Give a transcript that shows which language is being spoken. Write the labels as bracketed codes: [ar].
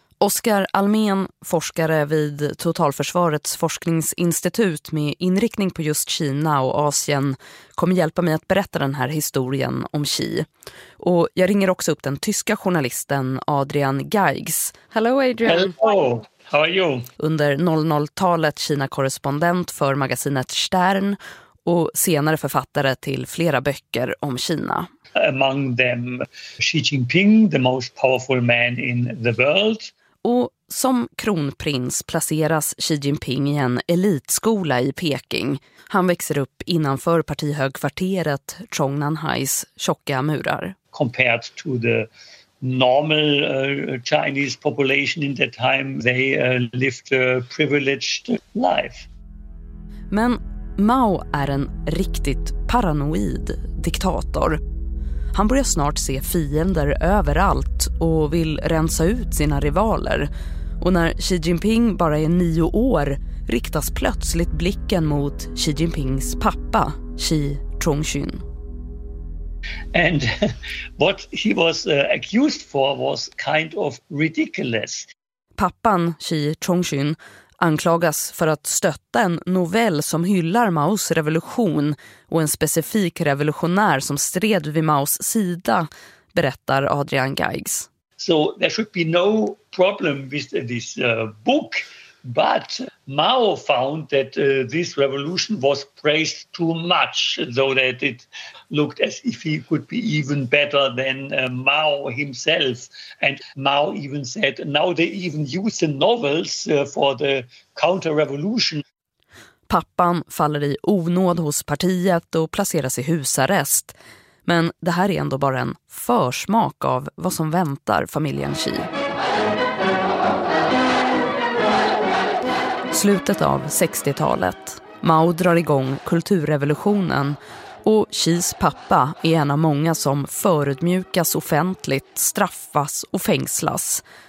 [sv] Oskar Almén, forskare vid Totalförsvarets forskningsinstitut med inriktning på just Kina och Asien, kommer hjälpa mig att berätta den här historien om Xi. Och jag ringer också upp den tyska journalisten Adrian Geigs. [en] Hello Adrian. Hello. How are you? [sv] Under 00-talet Kina-korrespondent för magasinet Stern och senare författare till flera böcker om Kina. [en] Among them Xi Jinping, the most powerful man in the world. [sv] Och som kronprins placeras Xi Jinping i en elitskola i Peking. Han växer upp innanför partihögkvarteret Chongnanhais tjocka murar. [en] Compared to the normal Chinese population in that time, they lived a privileged life. [sv] Men Mao är en riktigt paranoid diktator. Han börjar snart se fiender överallt och vill rensa ut sina rivaler. Och när Xi Jinping bara är 9 år riktas plötsligt blicken mot Xi Jinpings pappa, Xi Chongqun. [en] And what he was accused for was kind of ridiculous. [sv] Pappan, Xi Chongqun, anklagas för att stötta en novell som hyllar Maos revolution och en specifik revolutionär som stred vid Maos sida, berättar Adrian Geigs. [en] So there should be no problem with this book, but Mao found that this revolution was praised too much, so that it looked as if he could be even better than Mao himself. And Mao even said, now they even use the novels for the counter-revolution. [sv] Pappan faller i onåd hos partiet och placeras i husarrest. Men det här är ändå bara en försmak av vad som väntar familjen Xi. Slutet av 60-talet. Mao drar igång kulturrevolutionen och Xis pappa är en av många som förutmjukas offentligt, straffas och fängslas.